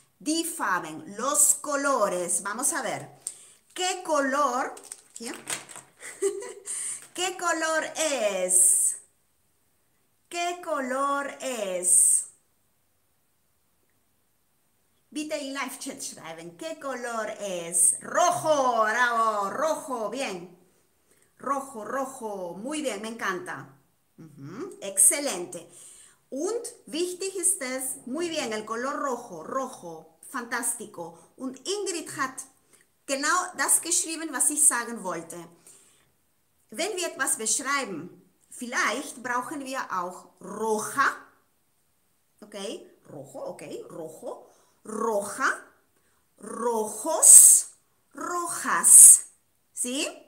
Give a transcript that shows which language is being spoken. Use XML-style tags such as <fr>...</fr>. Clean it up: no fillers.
<de>Die Farben,</de> <es>Los Colores, vamos a ver, qué color, hier, qué color es. ¿Qué color es?</es> <de>Bitte in Live Chat schreiben.</de> <es>¿Qué color es? Rojo, bravo, rojo, bien. Rojo, rojo, muy bien, me encanta. Excelente.</es> <de>Und wichtig ist es,</de> <es>muy bien, el color rojo, rojo, fantástico.</es> <de>Und Ingrid hat genau das geschrieben, was ich sagen wollte. Wenn wir etwas beschreiben, vielleicht brauchen wir auch roja, okay, rojo, okay, rojo, roja, rojos, rojas, ¿sí?</de>